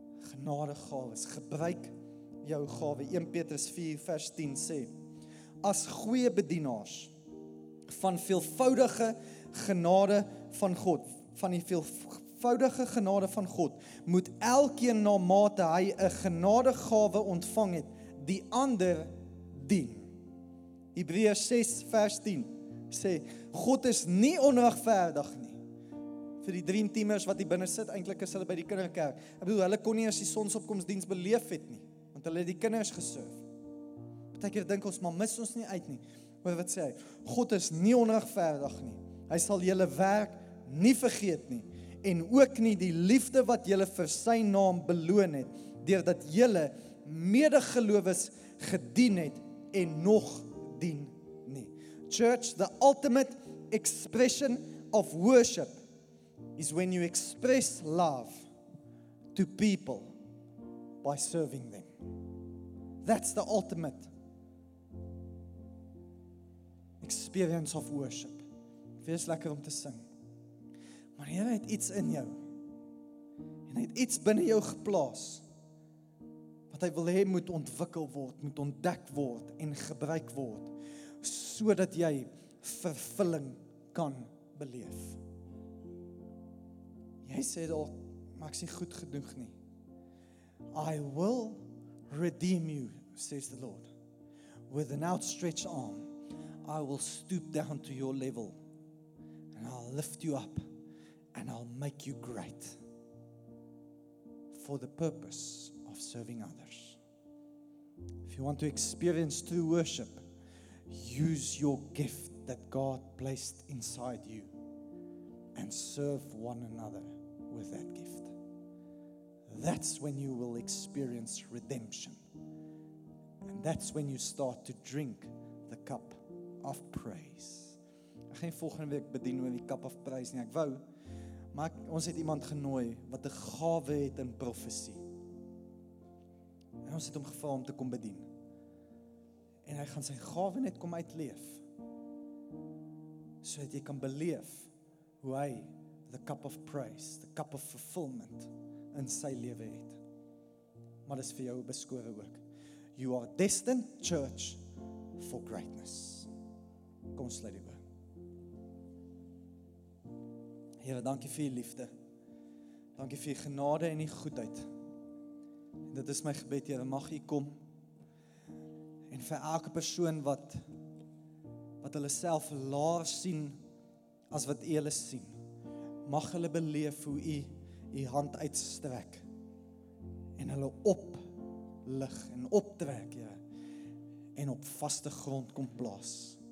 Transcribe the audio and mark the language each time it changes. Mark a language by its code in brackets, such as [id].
[af] Genade gawes, gebruik jou gawe. 1 Petrus 4 vers 10 sê, as goeie bedienaars van veelvoudige genade van God, van die veelvoudige genade van God, moet elkeen na mate hy 'n genadegawe ontvang het, die ander dien. Hebreërs 6 vers 10 sê, God is nie onregverdig nie. Vir die dream teamers wat hier binne sit, eintlik is hulle by die kinderkerk. Ek bedoel, hulle kon nie eens die sonsopkomsdiens beleef het nie, want hulle het die kinders geserf. Partykeer dink ons, maar mis ons nie uit nie. Hoor wat sê hy, God is nie onregverdig nie. Hy sal julle werk nie vergeet nie, en ook nie die liefde wat julle vir sy naam beloon het, deurdat julle medegelowiges gedien het en nog dien nie. [en] Church, the ultimate expression of worship is when you express love to people by serving them. That's the ultimate experience of worship. Feels [af] lekker om te sing. Maar Here het iets in jou. En het iets binnen jou geplaas. Wat hy wil hê moet ontwikkel word, moet ontdek word en gebruik word. Sodat jy vervulling kan beleef. Jy sê dalk, maar ek sê goed genoeg nie. [en] I will redeem you, says the Lord, with an outstretched arm. I will stoop down to your level and I'll lift you up and I'll make you great for the purpose of serving others. If you want to experience true worship, use your gift that God placed inside you and serve one another with that gift. That's when you will experience redemption. And that's when you start to drink the cup of praise. [af] Ek gaan volgende week bedien oor die [en] cup of praise [af] nie. Ek wou, maar ons het iemand genooi wat 'n gawe het in profesie. En ons het hom gevra om te kom bedien. En hy gaan sy gawe net kom uitleef. Sodat jy kan beleef hoe hy [en] the cup of praise, the cup of fulfillment [af] in sy lewe het. Maar dis vir jou beskore ook. [en] You are destined, church, for greatness. [af] Kom sluit die oor. Here, dankie vir die liefde. Dankie vir die genade en die goedheid. En dit is my gebed, Here, mag U kom. En vir elke persoon wat hulle self laag sien as wat U hulle sien, mag hulle beleef hoe U hand uitstrek en hulle oplig en optrek, Here, en op vaste grond kom plaas.